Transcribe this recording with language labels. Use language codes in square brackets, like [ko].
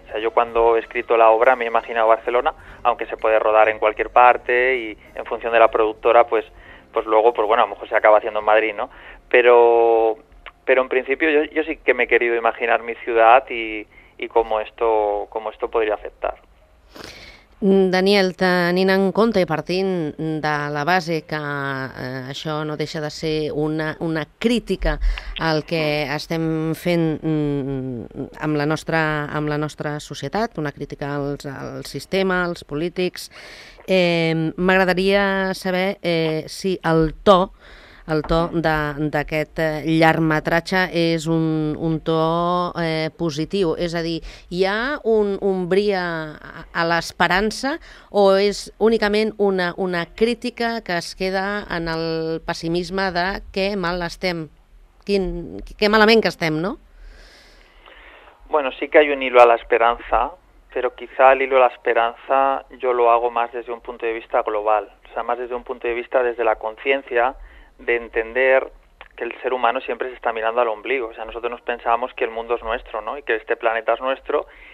[es] O sea, yo cuando he escrito la obra me he imaginado Barcelona, aunque se puede rodar en cualquier parte y en función de la productora, pues luego, pues bueno, a lo mejor se acaba haciendo en Madrid, ¿no? Pero en principio yo sí que me he querido imaginar mi ciudad y cómo esto podría afectar. [ca] Daniel, tenint en compte i partint de la base que això no deixa de ser una crítica al que estem fent amb la nostra societat, una crítica al sistema, als polítics, m'agradaria saber si el to d'aquest llargmetratge és un to positiu, és a dir, hi ha un bri a l'esperança o és únicament una crítica que es queda en el pessimisme de què mal estem, què malament que estem, no? [es] Bueno, sí que hay un hilo a la esperanza, pero quizá el hilo a la esperanza yo lo hago más desde un punto de vista global, o sea, más desde un punto de vista desde la conciencia, de entender que el ser humano siempre se está mirando al ombligo. O sea, nosotros nos pensábamos que el mundo es nuestro, ¿no? Y que este planeta es nuestro